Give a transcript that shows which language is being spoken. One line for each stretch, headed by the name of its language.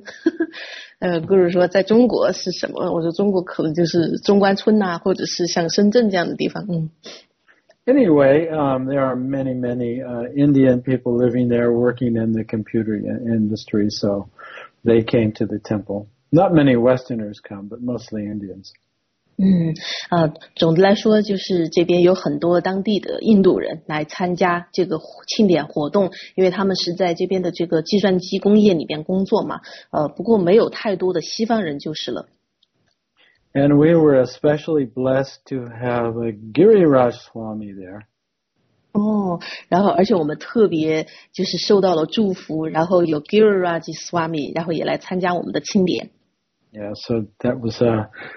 Chinese: 比如说在中国是什么，我说中国可能就是中关村啊，或者是像深圳这样的地方。
English: Anyway, there are many, many Indian people living there working in the computer industry, so they came to the temple. Not many Westerners come, but mostly Indians.
Chinese: 总的来说就是这边有很多当地的印度人来参加这个庆典活动，因为他们是在这边的这个计算机工业里边工作嘛，不过没有太多的西方人就是了。
English: And we were especially blessed to have a Giriraj Swami there.
Chinese: 然后而且我们特别就是受到了祝福，然后有 Giriraj Swami, 然后也来参加我们的庆典。
English: Yeah, so that was a...